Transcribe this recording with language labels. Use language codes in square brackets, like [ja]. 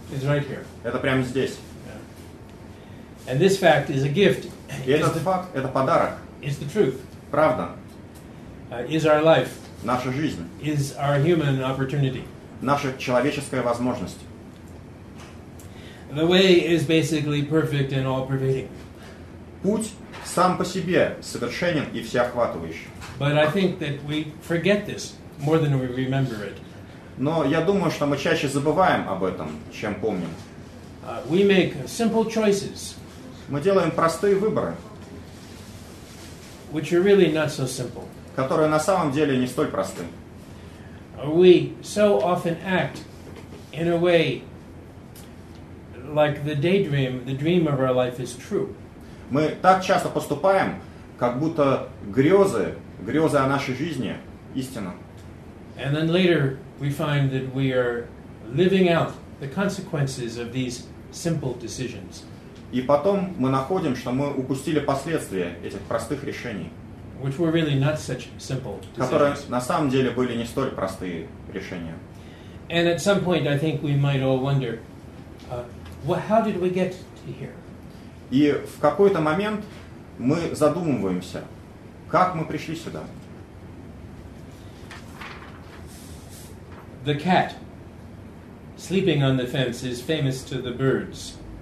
[en] It's right here. [ru] Это прямо здесь. [en] Yeah. And this fact is a gift. [ru] И этот факт, это подарок. [en] Is the truth. [ru] Правда. [en] Is our life. [ru] Наша жизнь. [en] Is our human opportunity. [ru] Наша человеческая возможность. [en] The way is basically perfect and all-pervading. [ru] Путь сам по себе совершенен и всеохватывающий. [en] But I think that we forget this more than we remember it. [ru] Но я думаю, что мы чаще забываем об этом, чем помним. [en] We make simple choices. [ru] Мы делаем простые выборы. [en] Which are really not so simple. [ru] Которые на самом деле не столь просты. [en] We so often act in a way like the daydream, the dream of our life is true. [ru] Мы так часто поступаем, как будто грезы о нашей жизни истина. [en] And then later we find that we are living out the consequences of these simple decisions. [ru] И потом мы находим, что мы упустили последствия этих простых решений. [en] Which were really not such simple decisions. [ru] Которые на самом деле были не столь простые решения. [en] And at some point I think we might all wonder, how did we get to here? [ru] И в какой-то момент мы задумываемся, как мы пришли сюда. [en] The cat sleeping on the fence is famous to the birds.